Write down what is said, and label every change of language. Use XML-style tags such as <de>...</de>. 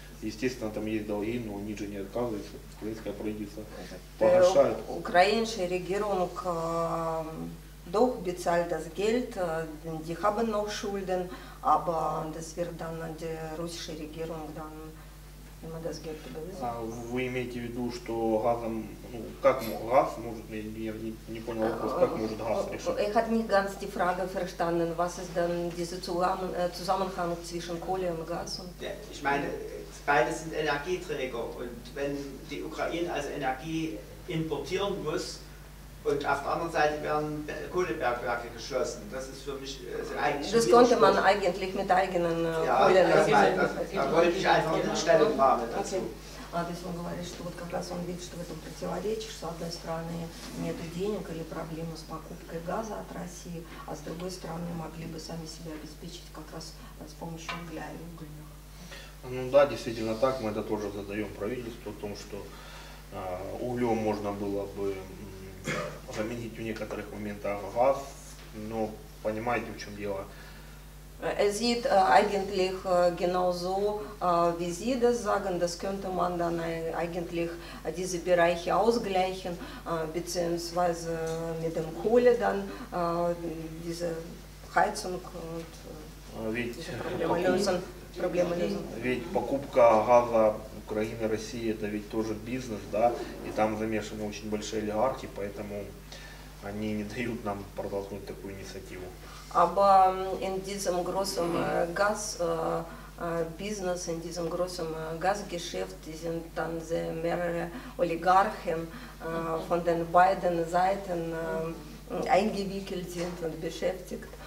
<ru>Естественно, там есть долги, но они же не отказываются. Украинское правительство погашает. Украинская регионок долг</ru> <de>bezahlt das Geld, die haben noch Schulden, aber das wird dann die russische Regierung dann immer das Geld überwiesen.</de> <ru>Вы имеете в виду, что газом, ну, как газ может, я не понял вопрос, как может газ решить?</ru> <de>Ich habe nicht ganz die Frage verstanden, was ist denn dieser Zusammenhang zwischen Kohle und Gas? Und ja, ich meine, beide sind Energieträger und wenn die Ukraine also Energie importieren muss und auf der anderen Seite werden Kohlebergwerke geschlossen, das ist für mich eigentlich. Das konnte man eigentlich mit eigenen Kohlenergie. Da wollte ich einfach eine Stellungnahme dazu. Deswegen</de> <ru>говорит, что вот как раз он видит, что в этом противоречит, что с одной стороны нет денег или проблемы с покупкой газа от России, а с другой стороны могли бы сами себя обеспечить как раз с помощью угля и угольных. Ну да, действительно так, мы это тоже задаем правительству о том, что углем можно было бы заменить в некоторых моментах газ, но понимаете, в чем дело.</ru> <de>Er sieht eigentlich genau so, wie Sie das sagen, das könnte man dann eigentlich diese Bereiche ausgleichen, beziehungsweise mit dem Kohle dann diese Heizung und diese Probleme lösen.</de> <ru>Ведь покупка газа Украины, России, это ведь тоже бизнес, да, и там замешаны очень большие олигархи, поэтому они не дают нам продолжать такую инициативу.</ru> <de>Aber in diesem großen Gasbusiness, in diesem großen Gasgeschäft, die sind dann sehr mehrere Oligarchen von den beiden Seiten eingewickelt sind und beschäftigt.</de>